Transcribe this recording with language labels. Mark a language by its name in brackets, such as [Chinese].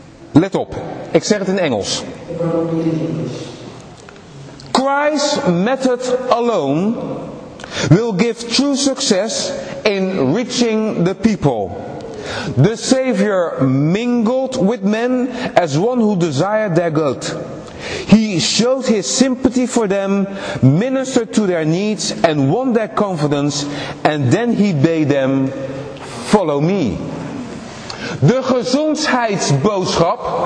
[Dutch] Let op, ik zeg het in Engels. [English] Christ's method alone will give true success in reaching the people. The Savior mingled with men as one who desired their good. He showed his sympathy for them, ministered to their needs, and won their confidence, and then he bade them, follow me. [Dutch] De gezondheidsboodschap.